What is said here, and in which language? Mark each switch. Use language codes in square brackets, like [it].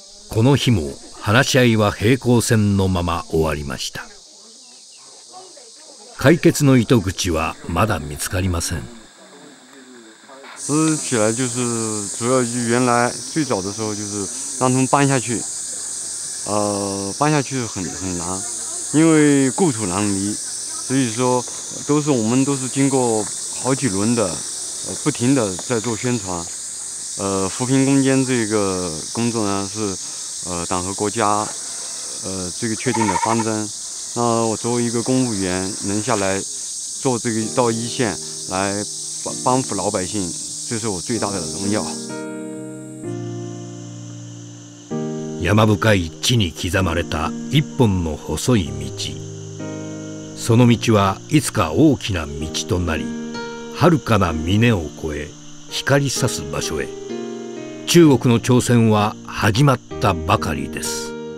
[ja] この日も話し合いは平行線のまま終わりました。解決の糸口はまだ見つかりません。 [zh] 起来就是主要是原来最早的时候就是让他们搬下去，搬下去很难，因为故土难离，所以说都是我们都是经过好几轮的，不停的在做宣传，扶贫攻坚这个工作呢是，党和国家，这个确定的方针。那我作为一个公务员能下来做这个到一线来帮扶老百姓，这是我最大的荣耀。 [ja] 山深い地に刻まれた一本の細い道、その道はいつか大きな道となり、遥かな峰を越え光り差す場所へ、中国の挑戦は始まったばかりです。